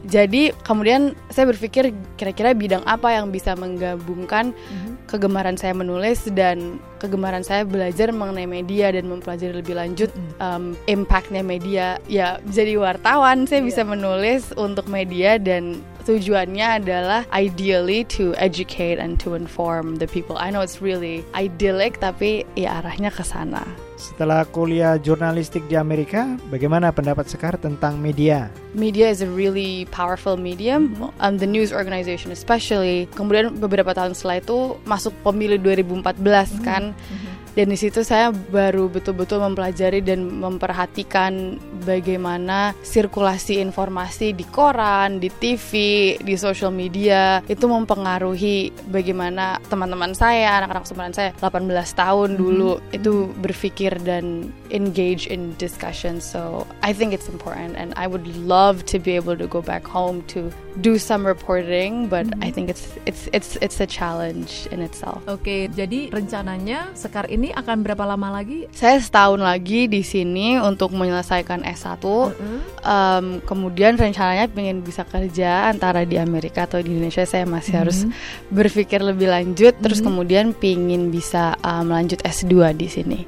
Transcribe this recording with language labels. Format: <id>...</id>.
<id>Jadi kemudian saya berpikir kira-kira bidang apa yang bisa menggabungkan kegemaran saya menulis dan kegemaran saya belajar mengenai media dan mempelajari lebih lanjut impact-nya media. Ya, jadi wartawan saya bisa menulis untuk media dan tujuannya adalah</id> <en>ideally to educate and to inform the people. I know it's really idyllic,</en> <id>tapi ya arahnya ke sana. Setelah kuliah jurnalistik di Amerika, bagaimana pendapat Sekar tentang media?</id> <en>Media is a really powerful medium, the news organization especially.</en> <id>Kemudian beberapa tahun setelah itu masuk pemilu 2014 kan. Dan di situ saya baru betul-betul mempelajari dan memperhatikan bagaimana sirkulasi informasi di koran, di TV, di social media itu mempengaruhi bagaimana teman-teman saya, anak-anak sumberan saya 18 tahun dulu itu berpikir dan</id> <en>engage in discussion. So I think it's important and I would love to be able to go back home to do some reporting, but I think it's a challenge in itself.</en> <id>Okay, jadi rencananya Sekar ini akan berapa lama lagi? Saya setahun lagi di sini untuk menyelesaikan S1. Kemudian rencananya ingin bisa kerja antara di Amerika atau di Indonesia. Saya masih harus berpikir lebih lanjut. Terus kemudian ingin bisa melanjut S2 di sini.</id>